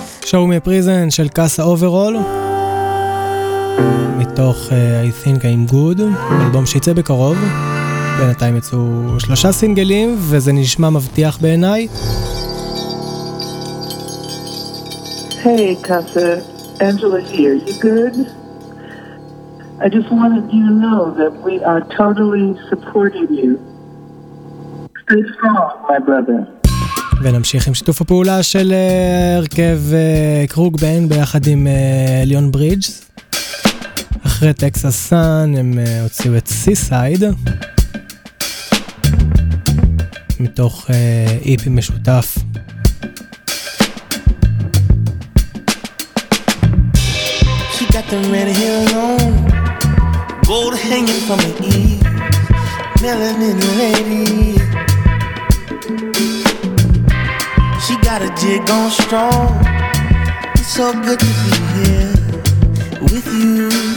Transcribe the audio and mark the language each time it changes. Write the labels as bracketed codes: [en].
[he] Show Me a Prison של קאסה אוברול מתוך I Think I'm Good, אלבום שיצא בקרוב. בינתיים יצאו שלושה סינגלים וזה נשמע מבטיח בעיניי. [en] Hey Kasa, Angela here, you good? Yeah, I'm good. Hey, I just wanted you to know that we are totally supporting you. Stay strong, my brother. [he] ונמשיך עם שיתוף הפעולה של הרכב קרוג בן ביחד עם ליון ברידג'ס. אחרי טקסס סאן הם הוציאו את סיסייד מתוך איפי משותף. [en] She got the red hair long, gold hanging from the eve, melanin lady. She got a jig on strong. It's so good to be here with you.